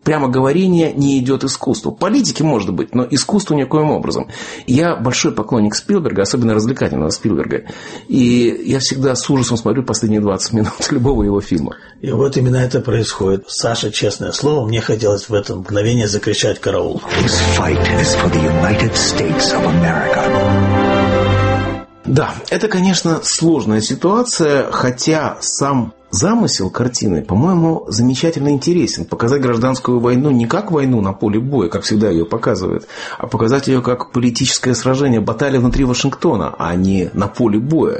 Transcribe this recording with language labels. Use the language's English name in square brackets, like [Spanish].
[Russian] Прямо говорение не идет искусству. Политики, может быть, но искусству никоим образом. Я большой поклонник Спилберга, особенно развлекательного Спилберга. И я всегда с ужасом смотрю последние 20 минут любого его фильма. И вот именно это происходит. Саша, честное слово, мне хотелось в это мгновение закричать «караул». [English] This fight is for the United States of America. [Russian] Да, это, конечно, сложная ситуация, хотя сам замысел картины, по-моему, замечательно интересен. Показать гражданскую войну не как войну на поле боя, как всегда ее показывают, а показать ее как политическое сражение, баталия внутри Вашингтона, а не на поле боя.